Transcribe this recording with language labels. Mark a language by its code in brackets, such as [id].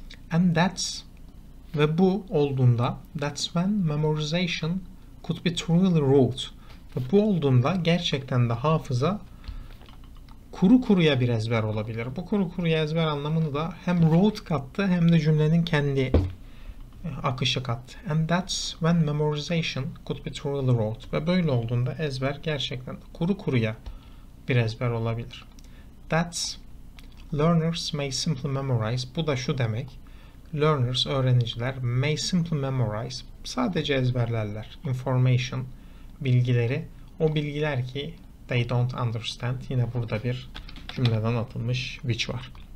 [en] And that's, [tr] ve bu olduğunda, [en] that's when memorization could be truly root. [tr] Ve bu olduğunda gerçekten de hafıza kuru kuruya bir ezber olabilir. Bu kuru kuruya ezber anlamını da hem root kattı hem de cümlenin kendi akışı kattı. [en] And that's when memorization could be truly root. [tr] Ve böyle olduğunda ezber gerçekten kuru kuruya bir ezber olabilir. [en] That's, learners may simply memorize. [tr] Bu da şu demek. Learners, öğrenciler, [en] may simply memorize, [tr] sadece ezberlerler, information, bilgileri, o bilgiler ki [en] they don't understand, [tr] yine burada bir cümleden atılmış which var.